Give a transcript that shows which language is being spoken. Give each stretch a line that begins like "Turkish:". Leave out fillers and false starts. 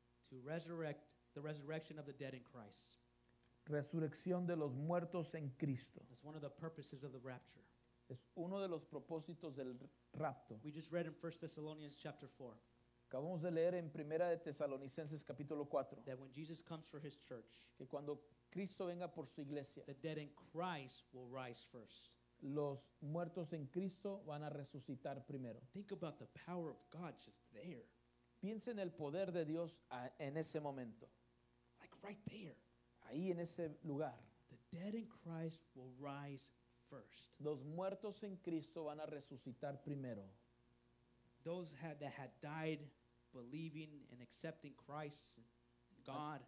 English: To resurrect the resurrection of the dead in Christ.
Spanish: Resurrección de los muertos en Cristo.
English: That's one of the purposes of the rapture.
Spanish: Es uno de los propósitos del rapto.
English: We just read in 1 Thessalonians chapter 4.
Spanish: Acabamos de leer en Primera de Tesalonicenses capítulo 4.
English: That when Jesus comes for his church,
Spanish: que cuando Cristo venga por su iglesia,
English: the dead in Christ will rise first.
Spanish: Los muertos en Cristo van a resucitar primero.
English: Think about the power of God just there.
Spanish: Piensa en el poder de Dios en ese momento.
English: Like right there.
Spanish: Ahí en ese lugar.
English: The dead in Christ will rise first.
Spanish: Los muertos en Cristo van a resucitar primero.
English: Those had, that had died believing and accepting Christ and God.